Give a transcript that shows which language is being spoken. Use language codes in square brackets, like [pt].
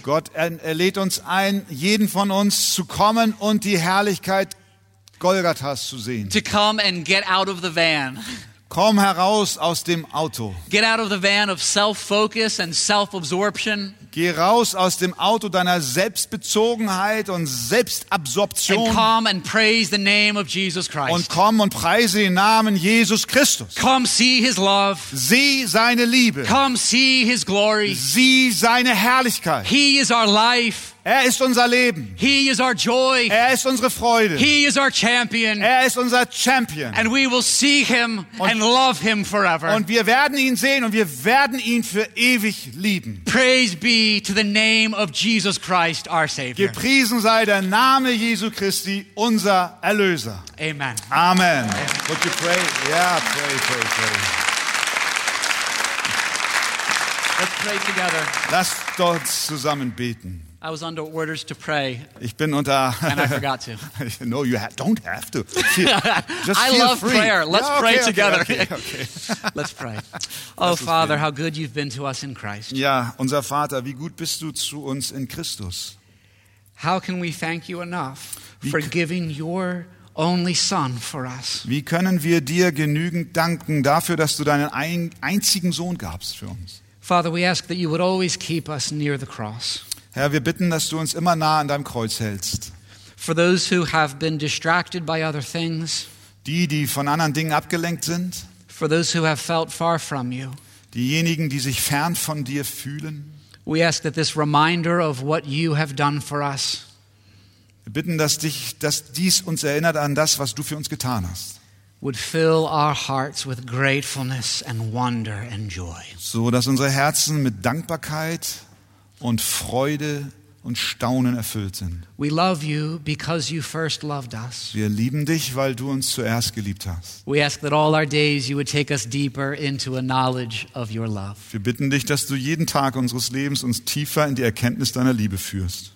[de] Gott lädt uns ein, jeden von uns zu kommen und die Herrlichkeit Golgathas zu sehen. [en] To come and get out of the van. [de] Komm heraus aus dem Auto. [en] Get out of the van of self-focus and self-absorption. [de] Geh raus aus dem Auto deiner Selbstbezogenheit und Selbstabsorption. [en] And come and praise the name of Jesus Christ. [de] Und komm und preise den Namen Jesus Christus. [en] Come see his love. [de] Sieh seine Liebe. [en] Come see his glory. [de] Sieh seine Herrlichkeit. [en] He is our life. [de] Er ist unser Leben. [en] He is our joy. [de] Er ist unsere Freude. [en] He is our champion. [de] Er ist unser Champion. [en] And we will see him and love him forever. [de] Und wir werden ihn sehen und wir werden ihn für ewig lieben. [en] Praise be to the name of Jesus Christ, our Savior. [de] Gepriesen sei der Name Jesu Christi, unser Erlöser. Amen. [en] Amen. Would you pray? Yeah, pray. Let's pray together. [de] Lasst uns zusammen beten. [en] I was under orders to pray. [de] Ich bin unter. [en] And I forgot to. No, you don't have to. Just I love free. Prayer. Let's pray together. Okay. Let's pray. Oh, Father, how good you've been to us in Christ. [de] Ja, unser Vater, wie gut bist du zu uns in Christus. [en] How can we thank you enough for giving your only Son for us? [de] Wie können wir dir genügend danken dafür, dass du deinen einzigen Sohn gabst für uns? [en] Father, we ask that you would always keep us near the cross. [de] Herr, wir bitten, dass du uns immer nah an deinem Kreuz hältst. [en] For those who have been distracted by other things. [de] Die von anderen Dingen abgelenkt sind. [en] For those who have felt far from you. [de] Diejenigen, die sich fern von dir fühlen. [en] We ask that this reminder of what you have done for us. [de] Wir bitten, dass dies uns erinnert an das, was du für uns getan hast. [en] Would fill our hearts with gratefulness and wonder and joy. [de] So dass unsere Herzen mit Dankbarkeit und Freude und Staunen erfüllt sind. [en] We love you because you first loved us. [de] Wir lieben dich, weil du uns zuerst geliebt hast. [en] We ask that all our days you would take us deeper into a knowledge of your love. [de] Wir bitten dich, dass du jeden Tag unseres Lebens uns tiefer in die Erkenntnis deiner Liebe führst.